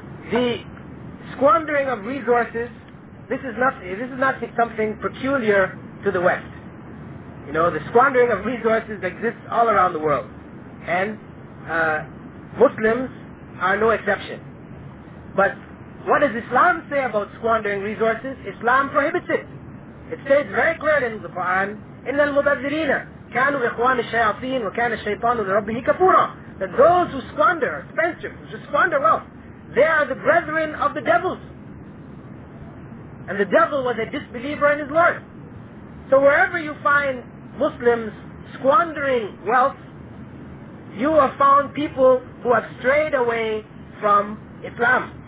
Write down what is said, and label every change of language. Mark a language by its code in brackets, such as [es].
[en] The squandering of resources, this is not something peculiar to the West. You know, the squandering of resources exists all around the world. And Muslims are no exception. But what does Islam say about squandering resources? Islam prohibits it. It says very clearly in the Quran, [ar] إِنَّ الْمُبَذِّرِينَ كَانُوا إِخْوَانِ الشَّيَاطِينَ وَكَانَ الشَّيْطَانُ لِرَبِّهِ كَفُورًا. [en] That those who squander, spendthrifts, who squander wealth, they are the brethren of the devils. And the devil was a disbeliever in his Lord. So wherever you find Muslims squandering wealth, you have found people who have strayed away from Islam.